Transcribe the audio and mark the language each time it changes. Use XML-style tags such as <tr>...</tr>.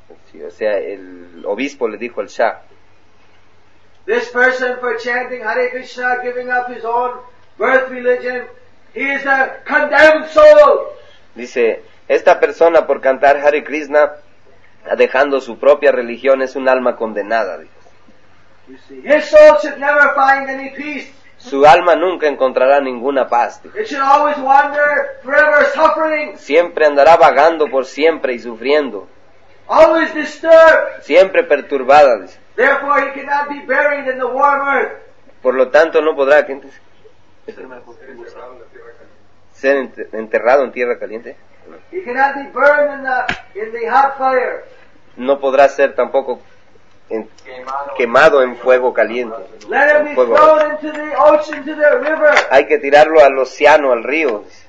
<es>Sí, o sea, el obispo le dijo al Shah,</es> <en>this person for chanting Hare Krishna, giving up his own birth religion, he is a condemned soul.</en> <es>Dice, esta persona por cantar Hare Krishna, dejando su propia religión, es un alma condenada.</es> <en>You see, his soul should never find any peace.</en> <es>Su alma nunca encontrará ninguna paz.</es> <en>It should always wander, forever suffering.</en> <es>Siempre andará vagando por siempre y sufriendo.</es> <en>Always disturbed.</en> <es>Siempre perturbada. Dice.</es> <en>Therefore, he cannot be buried in the warm earth.</en> <es>Por lo tanto, no podrá. ¿Qué entiendes? Ser enterrado en tierra caliente.</es> <en>He cannot be burned in the hot fire.</en> <es>No podrá ser tampoco quemado en fuego caliente.</es> <en>Let him be thrown into the ocean, to the river.</en> <es>Hay que tirarlo al océano, al río.</es>